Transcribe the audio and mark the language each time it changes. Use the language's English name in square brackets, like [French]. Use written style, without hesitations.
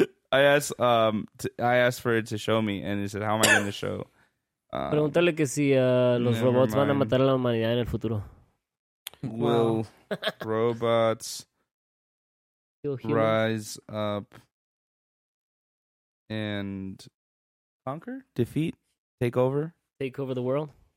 [English] I asked for it to show me, and he said, how am I going to show? [Spanish] Pregúntale que si los robots van a matar a la humanidad en el futuro. [English] Will robots rise up and conquer, defeat, take over the world?